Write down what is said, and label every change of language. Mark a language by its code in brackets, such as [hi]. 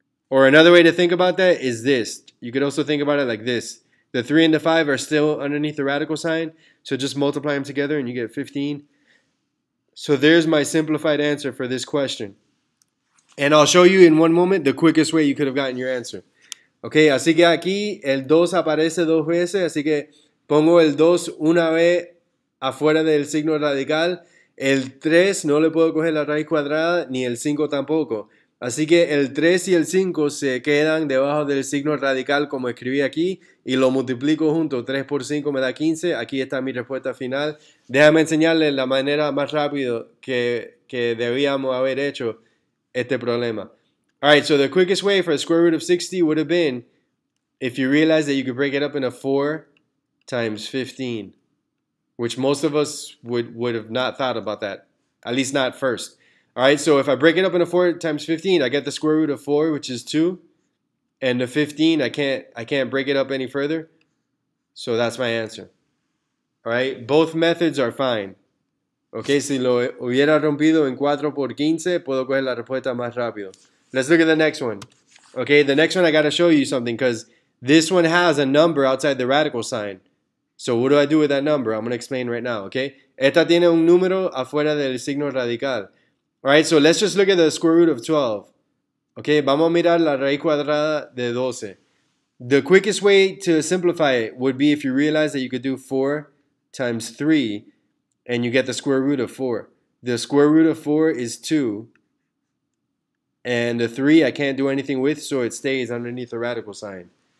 [en] Or another way to think about that is this. You could also think about it like this. The 3 and the 5 are still underneath the radical sign. So just multiply them together and you get 15. So there's my simplified answer for this question. And I'll show you in one moment the quickest way you could have gotten your answer. [es] Okay, así que aquí el 2 aparece dos veces, así que pongo el 2 una vez afuera del signo radical. El 3 no le puedo coger la raíz cuadrada, ni el 5 tampoco. Así que el 3 y el 5 se quedan debajo del signo radical como escribí aquí y lo multiplico junto. 3 por 5 me da 15. Aquí está mi respuesta final. Déjame enseñarles la manera más rápida que debíamos haber hecho este problema. [en] All right, so the quickest way for a square root of 60 would have been if you realize that you could break it up into 4 times 15, which most of us would have not thought about that, at least not first. All right, so if I break it up into 4 times 15, I get the square root of 4, which is 2, and the 15, I can't break it up any further. So that's my answer. All right, both methods are fine. [es] Okay, si lo hubiera rompido en 4 por 15, puedo coger la respuesta más rápido. [en] Let's look at the next one. Okay, the next one I got to show you something because this one has a number outside the radical sign. So what do I do with that number? I'm going to explain right now, okay? [es] Esta tiene un número afuera del signo radical. [en] All right, so let's just look at the square root of 12. [es] Okay, vamos a mirar la raíz cuadrada de 12. [en] The quickest way to simplify it would be if you realize that you could do 4 times 3 and you get the square root of 4. The square root of 4 is 2. And the 3, I can't do anything with, so it stays underneath the radical sign.